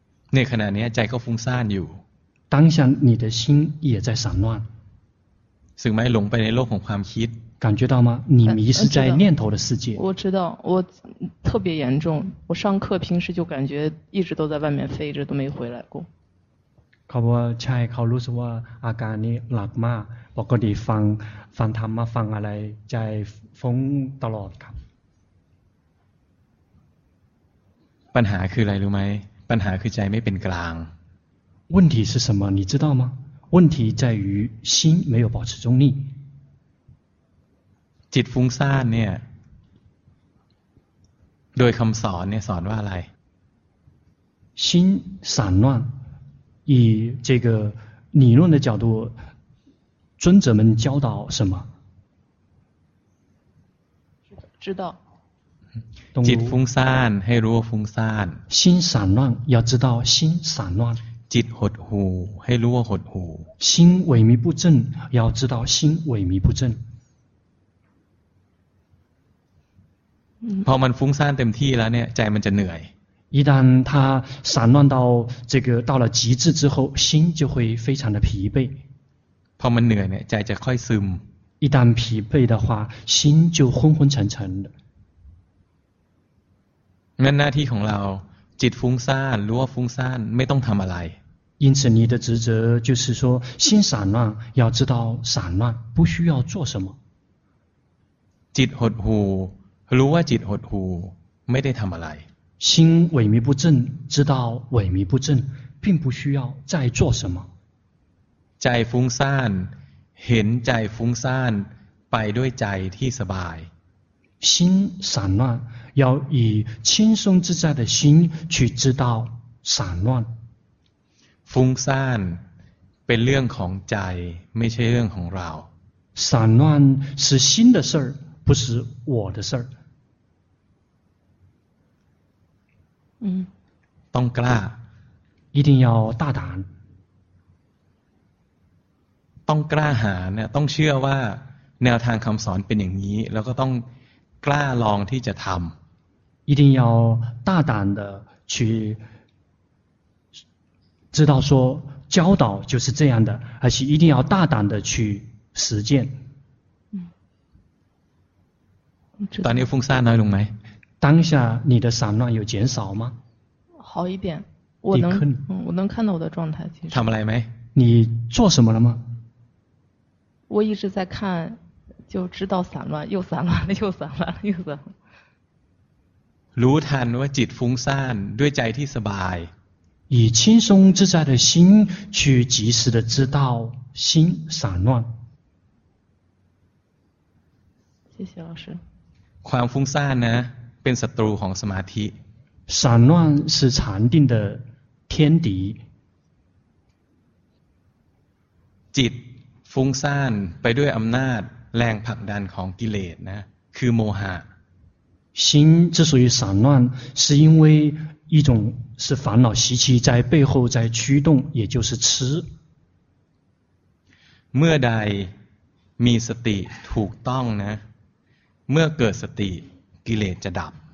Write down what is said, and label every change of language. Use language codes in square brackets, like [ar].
[zh] 那可能你在个风散有。当下你的心也在散乱。是没拢被你落红黄皮。感觉到吗？你迷失在念头的世界。我知道，我特别严重。我上课平时就感觉一直都在外面飞，一直都没回来过。 [th] เขาบอกว่าใช่เขารู้สึกว่าอาการนี้หลักมากปกติฟังธรรมะฟังอะไรใจฟุ้งตลอดครับ ปัญหาคืออะไรรู้ไหมปัญหาคือใจไม่เป็นกลาง [zh] 问题是什么你知道吗问题在于心没有保持中立 [th] จิตฟุ้งซ่านเนี่ยโดยคำสอนเนี่ยสอนว่าอะไร [zh] 心散乱以这个理论的角度，尊者们教导什么？知道。 [th] จิตฟุ้งซ่านให้รู้ว่าฟุ้งซ่าน。 [zh] 心散乱，要知道心散乱。 [th] จิตหดหู่ให้รู้ว่าหดหู่。 [zh] 心萎靡不振，要知道心萎靡不振。 [th] พอมันฟุ้งซ่านเต็มที่แล้วเนี่ยใจมันจะเหนื่อย。 [zh] 一旦他散乱到这个到了极致之后，心就会非常的疲惫。 [th] พอมันเหนื่อยเนี่ยใจจะค่อยซึม。 [zh] 一旦疲惫的话，心就昏昏沉沉的。 [th] งั้นหน้าที่ของเราจิตฟุ้งซ่านรู้ว่าฟุ้งซ่านไม่ต้องทำอะไร。 [zh] 因此你的职责就是说，心散乱要知道散乱，不需要做什么。 [th] จิตหดหู่รู้ว่าจิตหดหู่ไม่ได้ทำอะไร。 [zh] 心萎靡不振，知道萎靡不振，并不需要再做什么。 [th] ใจฟุ้งซ่าน，เห็นใจฟุ้งซ่านไปด้วยใจที่สบาย。 [zh] 心散乱，要以轻松自在的心去知道散乱。 [th] ฟุ้งซ่านเป็นเรื่องของใจไม่ใช่เรื่องของเรา。 [zh] 散乱是心的事儿，不是我的事儿。 [th] ต้องกล้า [zh] 一定要大胆 [th] ต้องกล้าหาเนี่ยต้องเชื่อว่าแนวทางคำสอนเป็นอย่างนี้แล้วก็ต้องกล้าลองที่จะทำ [zh] 一定要大胆的去知道说教导就是这样的而且一定要大胆的去实践 [th] ตอนนี้ฟุ้งซ่านน้อยลงไหม [zh] 当下你的散乱有减少吗？好一点，我能，我能看到我的状态。其实。 [th] ทำอะไรไหม？ [zh] 你做什么了吗？我一直在看，就知道散乱，又散乱了，又散乱了，又散乱。 [th] รู้ทันว่าจิตฟุ้งซ่านด้วยใจที่สบาย。 [zh] 以轻松自在的心去及时的知道心散乱。谢谢老师。 [th] ความฟุ้งซ่านนะเป็นศัตรูของสมาธิ [zh] 散乱是禅定的天敌 [th] จิตฟุ้งซ่านไปด้วยอำนาจแรงผลักดันของกิเลสนะคือโมหะ [zh] 心之所以散乱是因为一种是烦恼习气在背后在驱动也就是痴 [th] เมื่อใดมีสติถูกต้องนะเมื่อเกิดสติกิเลสจะดับ